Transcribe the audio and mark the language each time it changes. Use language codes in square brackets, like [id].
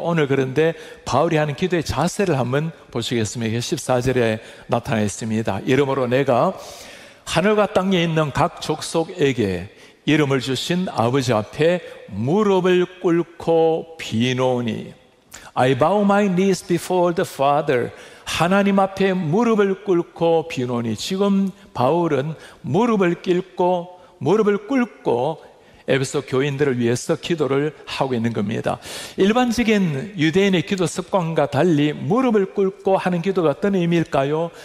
[ko] 오늘 그런데 바울이 하는 기도의 자세를 한번 보시겠습니다. 14절에 나타나 있습니다. 이름으로 내가 하늘과 땅에 있는 각 족속에게 이름을 주신 아버지 앞에 무릎을 꿇고 비노니. [en] I bow my knees before the Father. [ko] 하나님 앞에 무릎을 꿇고 비노니. 지금 바울은 무릎을 꿇고 에베소 교인들을 위해서 기도를 하고 있는 겁니다. 일반적인 유대인의 기도 습관과 달리 무릎을 꿇고 하는 기도가 어떤 의미일까요?